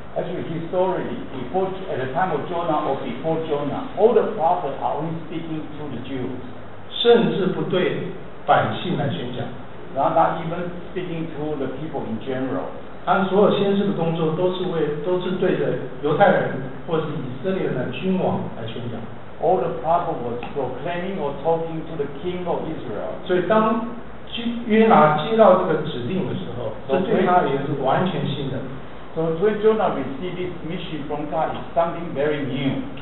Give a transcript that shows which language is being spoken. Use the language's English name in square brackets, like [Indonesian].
[English] Actually, historically, before at the time of Jonah or before Jonah, all the prophets are only speaking to the Jews. [Chinese] 甚至不对百姓来宣讲。 [English] Not even speaking to the people in general. [Chinese] 他所有先知的工作都是对着犹太人或是以色列的君王来宣讲。 [English] All the prophets were proclaiming or talking to the king of Israel. [Chinese] 所以当约拿接到这个指令的时候，这对他也是完全新的。 [English] So when Jonah received this mission from God, it's something very new.